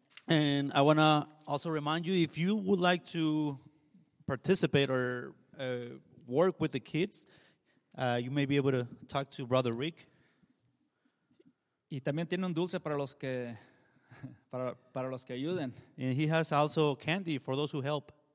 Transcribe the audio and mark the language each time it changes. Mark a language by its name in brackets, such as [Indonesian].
[English] And I want to also remind you, if you would like to participate or work with the kids, you may be able to talk to Brother Rick. [Spanish] Y también tiene un dulce para los que para los que ayuden. [English] And he has also candy for those who help.